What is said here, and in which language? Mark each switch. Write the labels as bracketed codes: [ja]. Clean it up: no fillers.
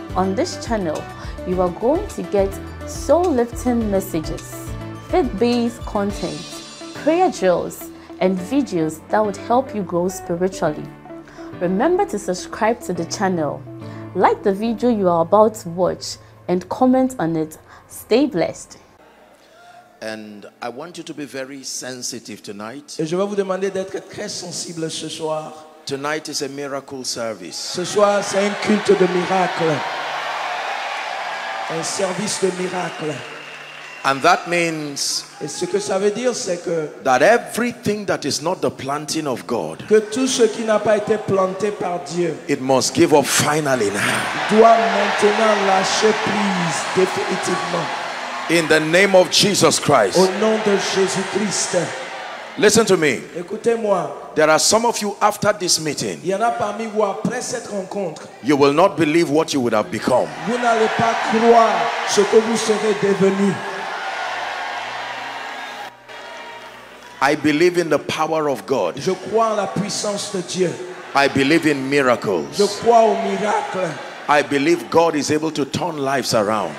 [en] On this channel, you are going to get soul-lifting messages, faith-based content, prayer drills, and videos that would help you grow spiritually. Remember to subscribe to the channel, like the video you are about to watch, and comment on it. Stay blessed. And I want you to be very sensitive tonight. [fr] Et je vais vous demander d'être très sensible ce soir. [en] Tonight is a miracle service. [fr] Ce soir, c'est un culte de miracle. Un service de miracle. [en] And that means, [fr] et ce que ça veut dire, c'est que, [en] that everything that is not the planting of God, [fr] que tout ce qui n'a pas été planté par Dieu, [en] it must give up finally now. [fr] Doit maintenant lâcher prise définitivement. [en] In the name of Jesus Christ. [fr] Au nom de Jésus Christ. [en] Listen to me. [fr] Écoutez-moi. [en] There are some of you after this meeting, [fr] il y en a parmi vous après cette rencontre, [en] you will not believe what you would have become. [fr] Vous n'allez pas croire ce que vous serez devenu. [en] I believe in the power of God. [fr] Je crois en la puissance de Dieu. [en] I believe in miracles. [fr] Je crois aux miracles. [en] I believe God is able to turn lives around.